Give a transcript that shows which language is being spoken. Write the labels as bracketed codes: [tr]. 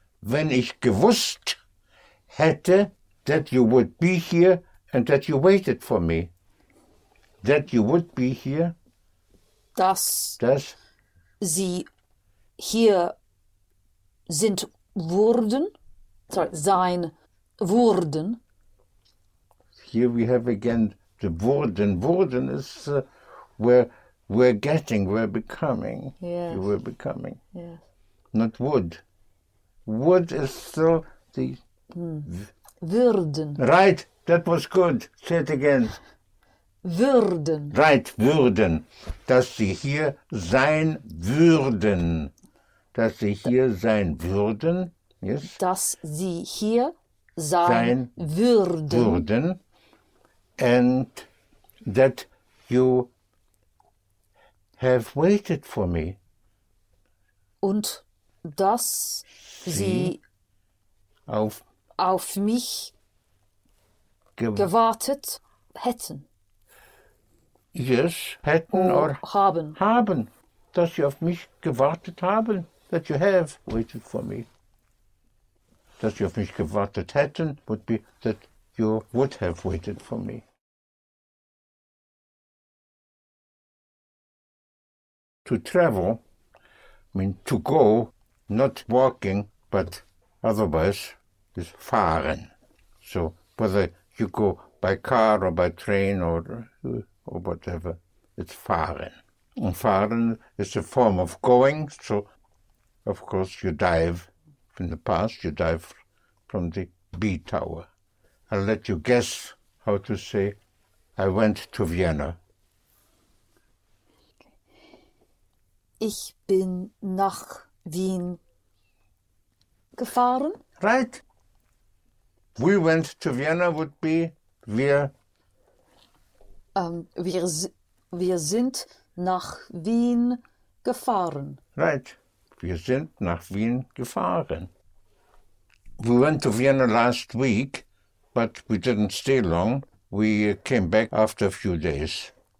[de] Wenn ich gewusst hätte, [en] that you would be here and that you waited for me. That you would be here. [de] Dass sie hier sind wurden. Sorry, sein wurden. [en] Here we have again the wurden. Wurden is we're becoming. Yes. You were becoming. Yes. Not would. Would is still the. [de] Würden. [en] Right. That was good. Say it again. [de] Würden. [en] Right. Würden. [de] Dass sie hier sein würden. Dass sie hier sein würden. [en] Yes. [de] Dass sie hier sein würden. Würden. [en] And that you have waited for me. [de] Und dass sie auf mich gewartet hätten. [en] Yes, hätten or [de] haben. Haben, dass sie auf mich gewartet haben. [en] that you have waited for me. [de] Dass Sie auf mich gewartet hätten, [en] would be that you would have waited for me. To travel, I mean to go, not walking, but otherwise, is fahren. So whether you go by car or by train or whatever, it's fahren. And fahren is a form of going, so of course you dive from the past, you dive from the B tower. I'll let you guess how to say, I went to Vienna. [de] Ich bin nach Wien gefahren. [en] Right. We went to Vienna would be wir. [de] Wir sind nach Wien gefahren. [en] Right. [de] Wir sind nach Wien gefahren. [en] We went to Vienna last week, but we didn't stay long. We came back after a few days.